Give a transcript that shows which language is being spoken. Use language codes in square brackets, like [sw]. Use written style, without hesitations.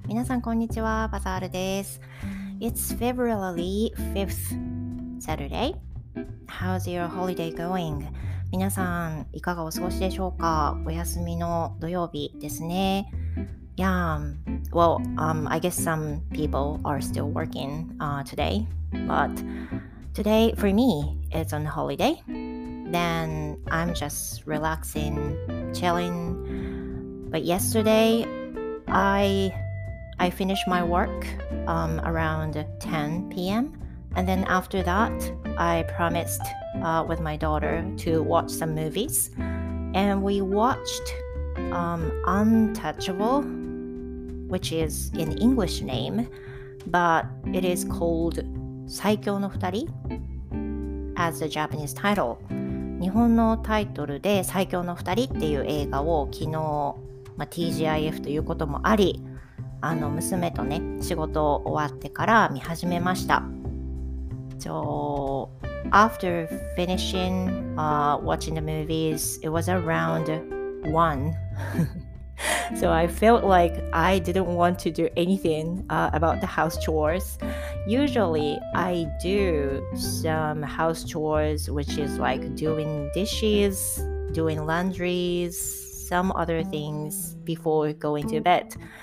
[ja] 皆さんこんにちは、バザールです。 [en] It's February 5th, Saturday. How's your holiday going? [ja] 皆さんいかがお過ごしでしょうか。お休みの土曜日ですね。 [en] Yeah, well, I guess some people are still working today, but today for me, it's on holiday. Then I'm just relaxing, chilling. But yesterday, I finished my work around 10 p.m. And then after that, I promised with my daughter to watch some movies. And we watched Untouchable, which is an English name, but it is called 最強の二人 as the Japanese title. [ja] 日本のタイトルで最強の二人っていう映画を昨日、まあ、TGIF ということもあり、あの娘とね、仕事終わってから見始めました。 [en] So, after finishing watching the movies, it was around 1. So I felt like I didn't want to do anything about the house chores. Usually, I do some house chores, which is like doing dishes, doing laundries, some other things before going to bed.